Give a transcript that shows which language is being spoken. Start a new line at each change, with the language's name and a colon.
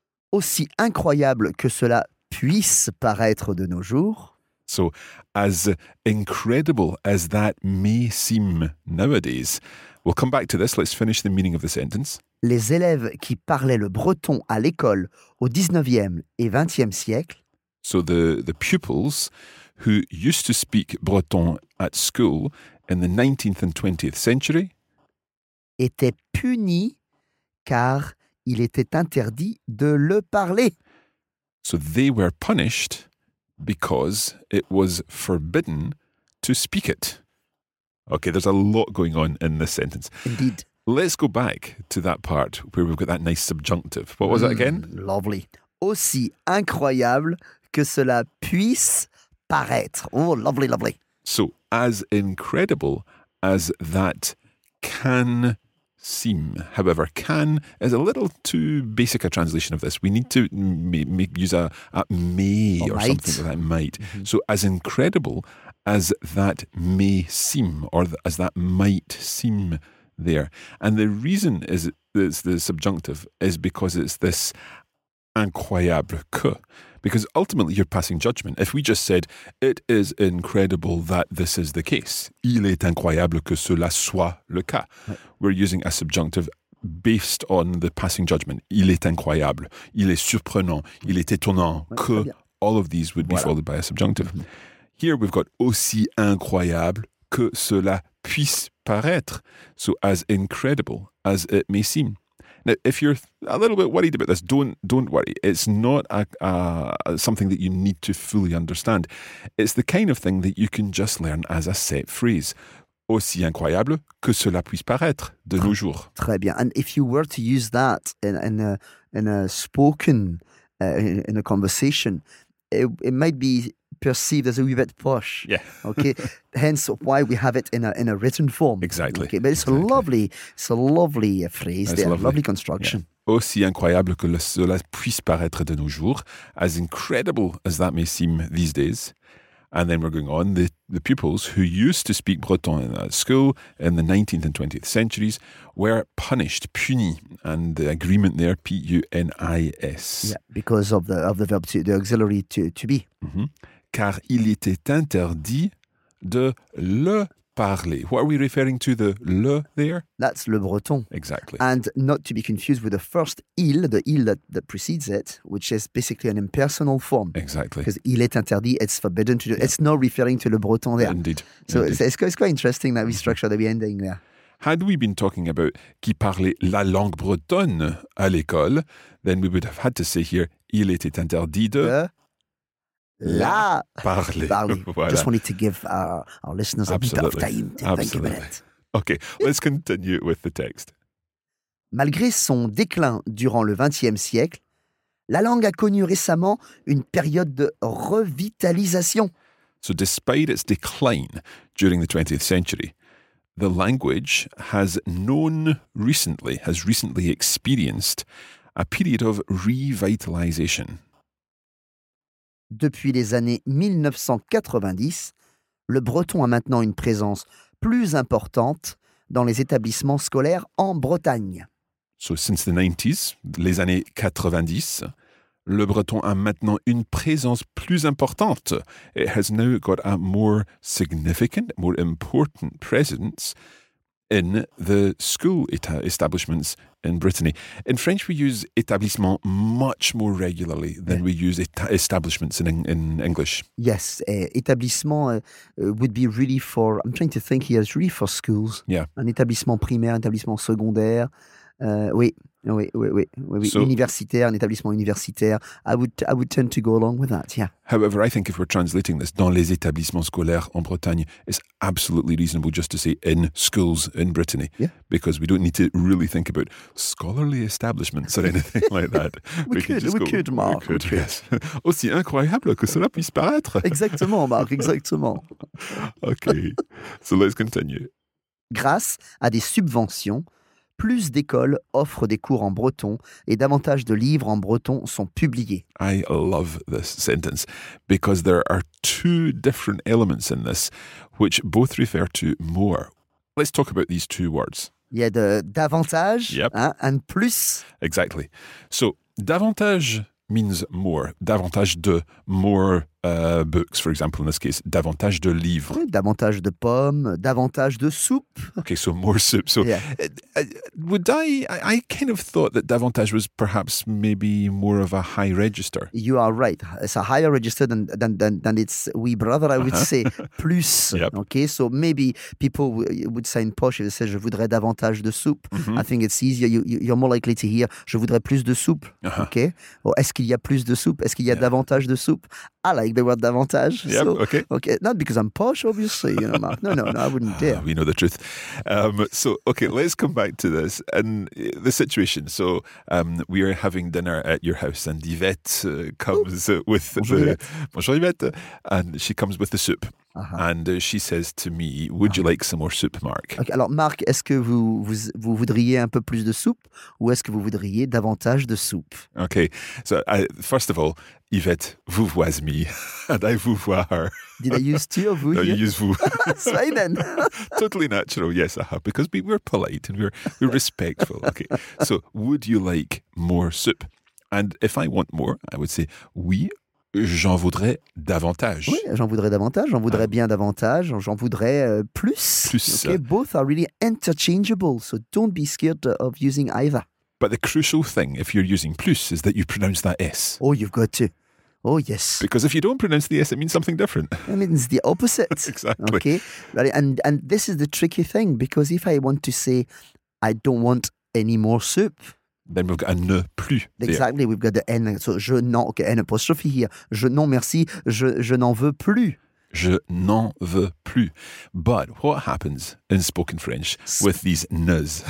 French: Aussi incroyable que cela puisse paraître de nos jours...
English: So, as incredible as that may seem nowadays, we'll come back to this, let's finish the meaning of the sentence.
French: Les élèves qui parlaient le breton à l'école au 19e et 20e siècle.
English: So the pupils who used to speak breton at school in the 19th and 20th century.
French: Étaient punis car il était interdit de le parler.
English: So they were punished. Because it was forbidden to speak it. Okay, there's a lot going on in this sentence. Indeed. Let's go back to that part where we've got that nice subjunctive. What was that again? Lovely.
French: Aussi incroyable que cela puisse paraître.
English: Oh, lovely, lovely. So, as incredible as that can seem. However, can is a little too basic a translation of this. We need to use a may or something like that. Might. Mm-hmm. So as incredible as that may seem or as that might seem there. And the reason is it's the subjunctive is because it's this
French: incroyable que.
English: Because ultimately you're passing judgment. If we just said, it is incredible that this is the case.
French: Il est incroyable que cela soit le cas.
English: Right. We're using a subjunctive based on the passing judgment.
French: Il est incroyable. Il est surprenant. Il est étonnant. Ouais, que.
English: All of these would be followed by a subjunctive. Mm-hmm. Here we've got
French: aussi incroyable que cela puisse paraître.
English: So as incredible as it may seem. Now, if you're a little bit worried about this, don't worry. It's not something that you need to fully understand. It's the kind of thing that you can just learn as a set phrase.
French: Aussi incroyable que cela puisse paraître de nos jours. Très bien.
English: And if you were to use that in a spoken, in a conversation, it might be perceived as a wee bit posh. Yeah. Okay. Hence why we have it in a written form. Exactly. Okay. But it's exactly. a lovely phrase. That's there. Lovely construction.
French: Yeah. Aussi incroyable que cela puisse paraître de nos jours,
English: as incredible as that may seem these days. And then we're going on, the pupils who used to speak Breton in that school in the 19th and 20th centuries were punished, punis, and the agreement there, P-U-N-I-S. Yeah, because of the verb to, the auxiliary to be. Mm-hmm.
French: Car il était interdit de le parler.
English: What are we referring to, the le there? That's le Breton. Exactly. And not to be confused with the first il, the il that precedes it, which is basically an impersonal form. Exactly. Because
French: il est interdit,
English: it's forbidden to do. Yeah. It's not referring to le Breton there. Indeed. So indeed. It's quite interesting that we structure the ending there. Had we been talking about
French: qui parlait la langue bretonne à l'école,
English: then we would have had to say here,
French: il était interdit de... La parler. Voilà.
English: Just wanted to give our listeners absolutely a bit of time to absolutely think about it. Okay, let's continue with the text.
French: Malgré son déclin durant le XXe siècle, la langue a connu récemment une période de revitalisation.
English: So despite its decline during the 20th century, the language has recently experienced a period of revitalization.
French: Depuis les années 1990, le breton a maintenant une présence plus importante dans les établissements scolaires en Bretagne.
English: So since the 90s,
French: les années 90, le breton a maintenant une présence plus importante.
English: It has now got a more significant, more important presence in the school establishments in Brittany. In French, we use établissement much more regularly than we use establishments in English. Yes, établissement would be really for, I'm trying to think here, it's really for schools. Yeah.
French: Un établissement primaire, un établissement secondaire, oui. So, universitaire, un établissement universitaire.
English: I would tend to go along with that, yeah. However, I think if we're translating this,
French: dans les établissements scolaires en Bretagne,
English: it's absolutely reasonable just to say in schools in Brittany. Yeah. Because we don't need to really think about scholarly establishments or anything like that. We could, Mark. Yes.
French: Aussi incroyable que cela puisse paraître. Exactement, Mark, exactement.
English: Okay, so let's continue.
French: Grâce à des subventions, plus d'écoles offrent des cours en breton et davantage de livres en breton sont publiés.
English: I love this sentence because there are two different elements in this which both refer to more. Let's talk about these two words.
French: Il y a davantage,
English: yep, hein, and plus. Exactly. So, davantage means more. Davantage de, more books, for example, in this case.
French: Davantage de livres. Oui, davantage de pommes, davantage de soupe.
English: Okay, so more soup. So, yeah. I kind of thought that davantage was perhaps maybe more of a high register. You are right. It's a higher register than its wee brother, I would say.
French: Plus.
English: Yep. Okay, so maybe people would say in posh, they say,
French: je voudrais davantage de soupe.
English: Mm-hmm. I think it's easier. You're more likely to hear,
French: je voudrais plus de soupe. Uh-huh.
English: Okay.
French: Or, est-ce qu'il y a plus de soupe? Est-ce qu'il y a davantage de soupe?
English: I like the word davantage. Yep, so, okay. Not because I'm posh, obviously, you know, Mark. No, I wouldn't dare. We know the truth. Let's come back to this and the situation. So, we are having dinner at your house and Yvette comes with
French: Bonjour, Yvette.
English: And she comes with the soup. Uh-huh. And she says to me, would you like some more soup, Mark?
French: Okay, alors, Mark, est-ce que vous voudriez un peu plus de soupe ou est-ce que vous voudriez davantage de soupe?
English: Okay, so first of all, Yvette
French: vous voit
English: me and I
French: vous vois
English: her. Did I use tu or vous? No, you use vous. That's fine then. Totally natural, yes, because we're polite and we're respectful. Okay, so would you like more soup? And if I want more, I would say oui.
French: J'en voudrais davantage. Oui, j'en voudrais davantage, j'en voudrais bien davantage, j'en voudrais plus. Plus.
English: Okay, both are really interchangeable, so don't be scared of using either. But the crucial thing, if you're using plus, is that you pronounce that S. Oh, you've got to. Oh, yes. Because if you don't pronounce the S, it means something different. It means the opposite. Exactly. Okay, right, and this is the tricky thing, because if I want to say, I don't want any more soup... Then we've got a ne plus. Exactly, there. We've got the N. So
French: je n'en,
English: okay, N apostrophe here.
French: Je non merci, je n'en veux plus. Je n'en veux plus.
English: But what happens in spoken French with these ne's?